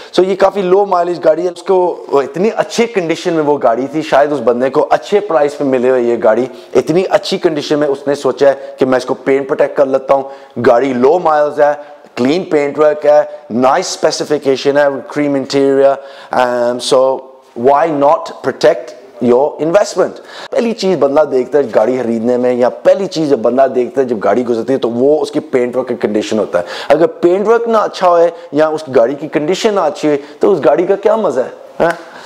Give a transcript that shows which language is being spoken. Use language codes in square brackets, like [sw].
[hi] सो ये काफ़ी लो माइलेज गाड़ी है. उसको इतनी अच्छी कंडीशन में वो गाड़ी थी, शायद उस बंदे को अच्छे प्राइस पे मिले हुए ये गाड़ी, इतनी अच्छी कंडीशन में उसने सोचा है कि मैं इसको पेंट प्रोटेक्ट कर लेता हूँ. गाड़ी लो माइल्स है, क्लीन पेंट वर्क है, नाइस स्पेसिफिकेशन है, cream interior. [en] So Why not protect your investment? [hi] पहली चीज बंदा देखता है गाड़ी खरीदने में, या पहली चीज जब बंदा देखता है जब गाड़ी गुजरती है, तो वो उसकी पेंट वर्क की कंडीशन होता है. अगर पेंट वर्क ना अच्छा हो या उस गाड़ी की कंडीशन ना अच्छी हो, तो उस गाड़ी का क्या मजा है?